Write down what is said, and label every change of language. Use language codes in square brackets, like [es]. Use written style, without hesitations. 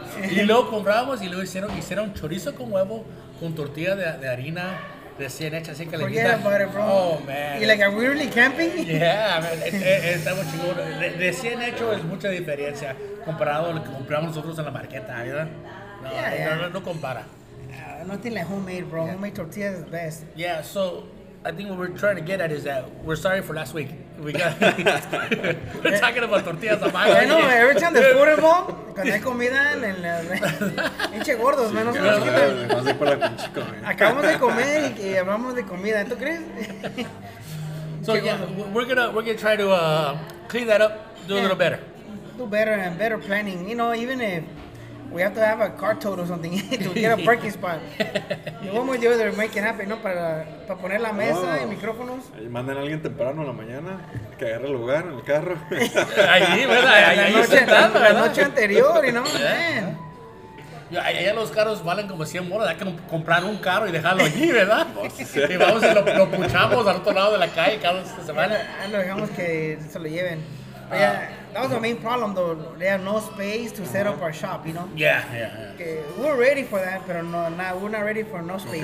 [es] Y luego compramos y luego hicieron chorizo con huevo con tortilla de harina. Recién hecha, así que le [en] quita. Forget about it, bro. Oh, man. Y, like, are we really camping? [es] Yeah, estamos chingados. Recién hecho es mucha diferencia comparado a lo que compramos nosotros en la marqueta, ¿verdad? No compara. [en] Nothing like homemade, bro. Yeah. Homemade tortilla is the best. Yeah, so I think what we're trying to get at is that we're sorry for last week. We're talking about tortillas. I know, every time they put them on, [es] cuando hay comida en el... Pinche gordos, sí, menos claro, gordos. Más de por la pinche comida. Acabamos de comer y hablamos de comida. ¿Tú crees? [en] So, yeah, we're gonna try to clean that up, do a little better. Do better and better planning. You know, even if we have to have a car tote or something to get a parking spot. You want to do there, make it happen, ¿no? [es] Para poner la mesa y micrófonos. Ahí manden a alguien temprano en la mañana que agarre el lugar en el carro. Ahí, ¿verdad? Ahí la noche anterior, ¿no? Allá los carros valen como 100 bolas, hay que comprar un carro y dejarlo allí, ¿verdad? Y vamos y lo puchamos al otro lado de la calle cada semana. Ah, no, dejamos que se lo lleven. [en] That was the main problem, though. They have no space to set up our shop, you know? Yeah. Okay. We're ready for that, but we're not ready for no space.